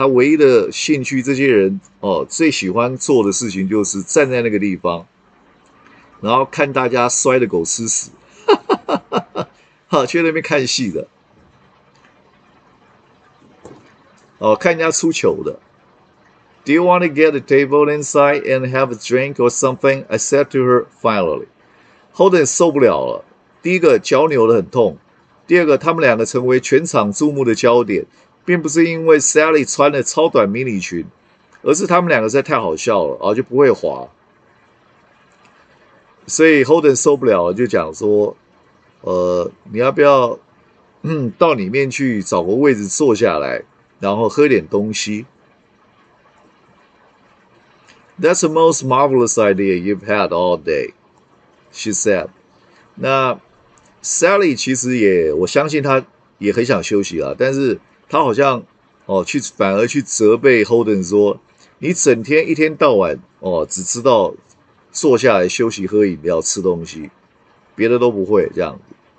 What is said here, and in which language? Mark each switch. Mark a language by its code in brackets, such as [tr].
[zh] 他唯一的兴趣，这些人最喜欢做的事情就是站在那个地方，然后看大家摔得狗吃屎。去那边看戏的看人家出糗的。 [en] Do you want to get a table inside and have a drink or something? I said to her finally. Holden [zh] 受不了了。第一个，脚扭得很痛。第二个，他们两个成为全场注目的焦点，并不是因为 Sally 穿了超短迷你裙，而是他们两个实在太好笑了，就不会滑。所以 Holden 受不了了，就讲说，你要不要到里面去找个位置坐下来，然后喝点东西。 [en] That's the most marvelous idea you've had all day, she said. [zh] 那 Sally 其实也，我相信她也很想休息啊，但是她好像反而去责备 Holden 说，你整天一天到晚只知道坐下来休息、喝饮料、吃东西，别的都不会这样子。